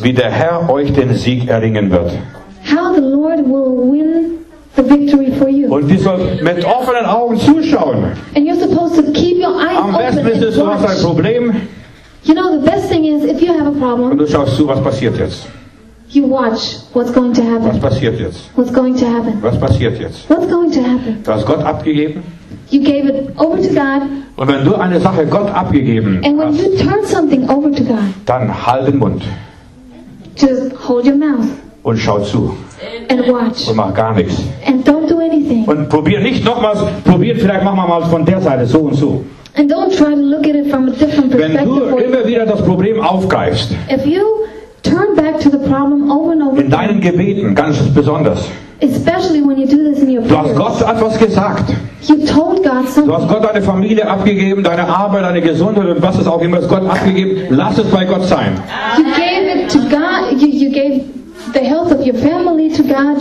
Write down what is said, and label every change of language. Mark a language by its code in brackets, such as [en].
[de] Wie der Herr euch den Sieg erringen wird. [en] How the Lord will win the victory for you. [de] Und ihr sollt mit offenen Augen zuschauen. [en] And you're supposed to keep your eyes [de] am besten [en] open [de] ist es, du hast ein Problem. [en] You know, the best thing is, if you have a problem, [de] und du schaust zu, was passiert jetzt. [en] You watch what's going to happen. [de] Was passiert jetzt? [en] What's going to happen? [de] Was passiert jetzt? [en] What's going to happen? [de] Du hast Gott abgegeben. [en] You gave it over to God. [de] Und wenn du eine Sache Gott abgegeben [en] and when [de] hast, [en] you turn something over to God, [de] dann halt den Mund. [en] Just hold your mouth. [de] Und schau zu. [en] And watch. [de] Und mach gar nichts. [en] And don't do anything. [de] Und probier nicht nochmals, probier vielleicht machen wir mal von der Seite so und so. [en] And don't try to look at it from a different perspective. [de] Wenn du immer wieder das Problem aufgreifst, [en] if you turn back to the problem over and over [de] in deinen Gebeten, ganz besonders. [en] Especially when you do this in your prayers. [de] Du hast Gott etwas gesagt. [en] You told God something. [de] Du hast Gott deine Familie abgegeben, deine Arbeit, deine Gesundheit und was es auch immer ist, Gott abgegeben. Lass es bei Gott sein. [en] You gave it to God. You gave the health of your family to God.